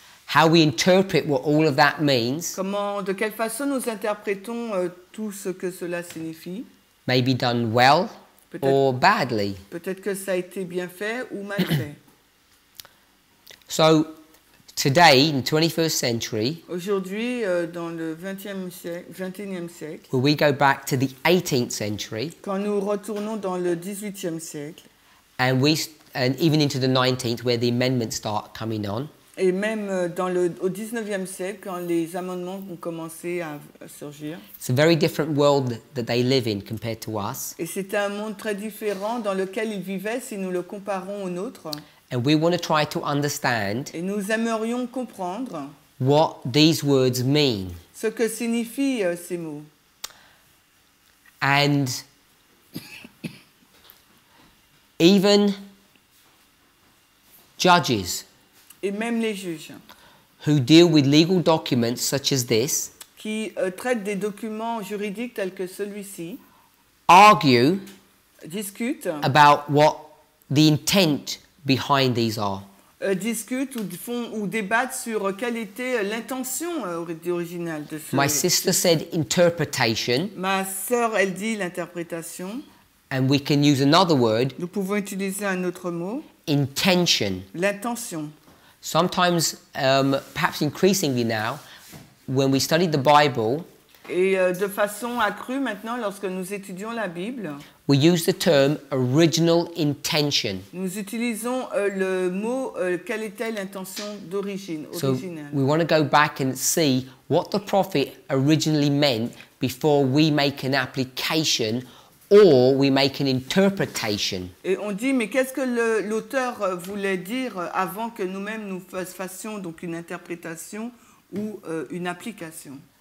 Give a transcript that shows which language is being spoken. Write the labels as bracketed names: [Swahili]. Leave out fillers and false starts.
[English] How we interpret what all of that means. [French] Comment, de quelle façon nous interprétons tout ce que cela signifie. [English] Maybe done well or badly. [French] Peut-être que ça a été bien fait ou mal fait. [English] So, today, in the 21st century, [French] aujourd'hui, dans le 21e siècle, [English] when we go back to the 18th century, [French] quand nous retournons dans le 18e siècle, [English] and even into the 19th, where the amendments start coming on, [French] et même au 19e siècle, quand les amendements ont commencé à surgir. [English] It's a very different world that they live in compared to us. [French] Et c'est un monde très différent dans lequel ils vivaient si nous le comparons au nôtre. [English] And we want to try to understand. [French] Et nous aimerions comprendre. [English] What these words mean. [French] Ce que signifient ces mots. [English] And even judges. [French] Et même les juges [English] who deal with legal documents such as this, [French] qui traitent des documents juridiques tels que celui-ci, [English] argue, [French] discutent [English] about what the intent behind these are. [French] Discutent ou débattent sur quelle était l'intention originale de [English] My sister said interpretation. [French] Ma sœur, elle dit l'interprétation. [English] And we can use another word. [French] Nous pouvons utiliser un autre mot. [English] Intention. [French] L'intention. [English] Sometimes, perhaps increasingly now, when we study the Bible, [French] et de façon accrue maintenant lorsque nous étudions la Bible, [English] we use the term original intention. [French] Nous utilisons le mot quelle était l'intention d'origine, originelle. [English] So we want to go back and see what the prophet originally meant before we make an application or we make an interpretation. [French] Et on dit, mais qu'est-ce que l'auteur voulait dire avant que nous-mêmes nous fassions donc une interprétation ou une application?